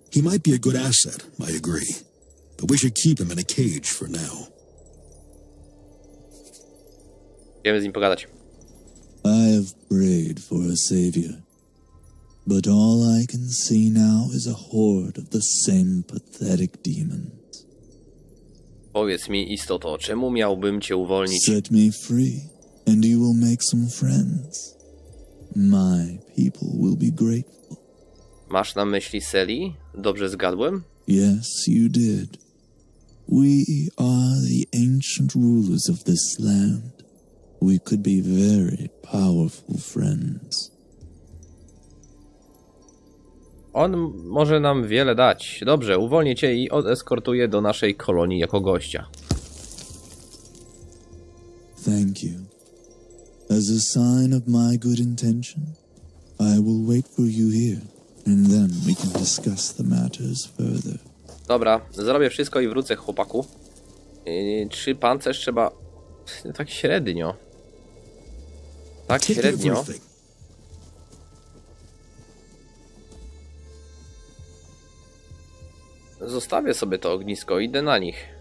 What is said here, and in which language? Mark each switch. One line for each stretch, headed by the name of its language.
English: He might be a good asset, I agree. But we should keep him in a cage for now.
Polish: Chcemy z nim pogadać.
English: I have prayed for a savior. But all I can see now is a horde of the same pathetic demons.
Polish: Powiedz mi, istoto, czemu miałbym cię uwolnić?
English: Set me free, and you will make some friends. My people will be grateful.
Polish: Masz na myśli Seelie? Dobrze zgadłem?
English: Yes, you did. We are the ancient rulers of this land. We could be very powerful friends.
Polish: On może nam wiele dać. Dobrze, uwolnię cię i odeskortuję do naszej kolonii jako gościa.
English: Thank you. As a sign of my good intention, I will wait for you here, and then we can discuss the matters further.
Polish: Dobra, zrobię wszystko i wrócę, chłopaku. Czy pancerz trzeba... Tak średnio. Tak średnio. Zostawię sobie to ognisko, idę na nich.